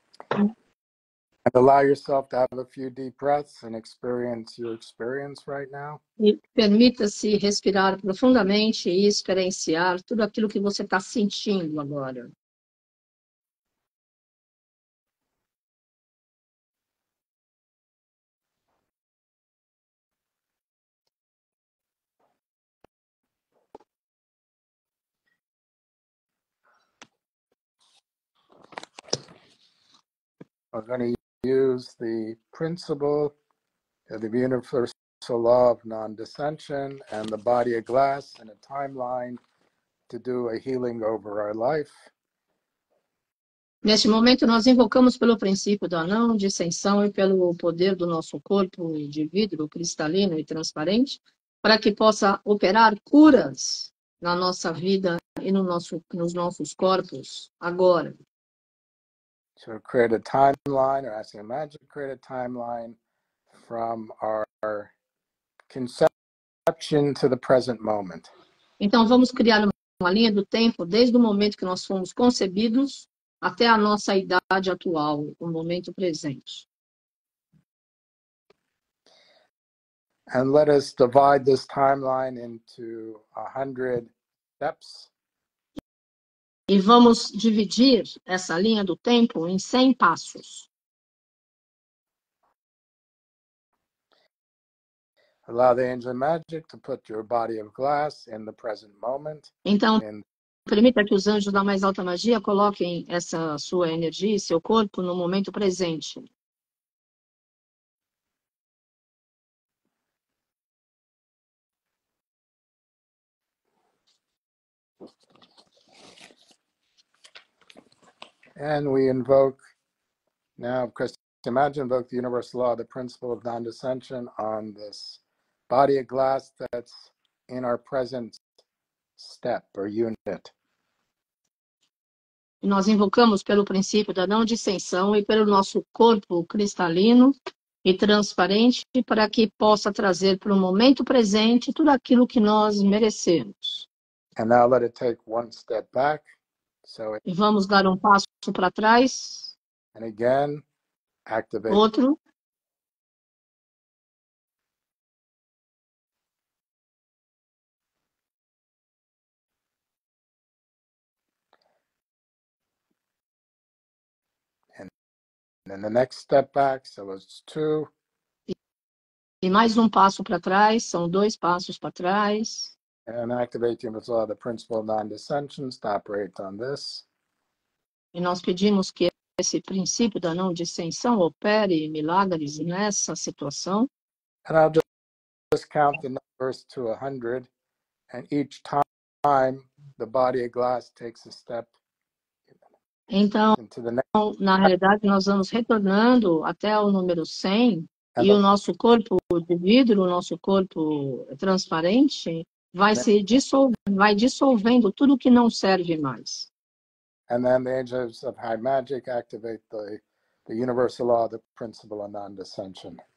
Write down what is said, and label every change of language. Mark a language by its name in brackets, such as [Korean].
[English] And allow yourself to have a few deep breaths and experience your experience right now. [Portuguese] E permita-se respirar profundamente e experienciar tudo aquilo que você está sentindo agora. [English] We're going to use the principle of the universal law of non-dissension and the body of glass and a timeline to do a healing over our life. [Portuguese] Neste momento, nós invocamos pelo princípio da não dissensão e pelo poder do nosso corpo de vidro cristalino e transparente para que possa operar curas na nossa vida e no nosso, nos nossos corpos agora. [English] To create a timeline, or asking magic to create a timeline from our conception to the present moment. [Portuguese] Então vamos criar uma linha do tempo desde o momento que nós fomos concebidos até a nossa idade atual, o momento presente. [English] And let us divide this timeline into 100 steps. [Portuguese] E vamos dividir essa linha do tempo em 100 passos. [English] Allow the angel magic to put your body of glass in the present moment. [Portuguese] Então, permita que os anjos da mais alta magia coloquem essa sua energia e seu corpo no momento presente. [English] And we invoke now, of course, imagine invoke the universal law, the principle of non-dissension on this body of glass that's in our present step or unit. [Portuguese] Nós invocamos pelo princípio da não dissensão e pelo nosso corpo cristalino e transparente para que possa trazer para o momento presente tudo aquilo que nós merecemos. [English] And now let it take one step back. [Portuguese] E vamos dar um passo para trás. [English] And again, activate. [Portuguese] Outro. [English] And then the next step back, so it's two. [Portuguese] E mais um passo para trás, são dois passos para trás. [English] And activate the principle of non-dissension, stop right on this. [Portuguese] E nós pedimos que esse princípio da não dissensão opere milagres nessa situação. [English] And I'll just count the numbers to 100, and each time the body of glass takes a step. [Portuguese] Então, na realidade, nós vamos retornando até o número 100 e o nosso corpo de vidro, o nosso corpo transparente, vai se dissolvendo, vai dissolvendo tudo que não serve mais. [English] And then the angels of high magic activate the universal law, the principle of non-dissension.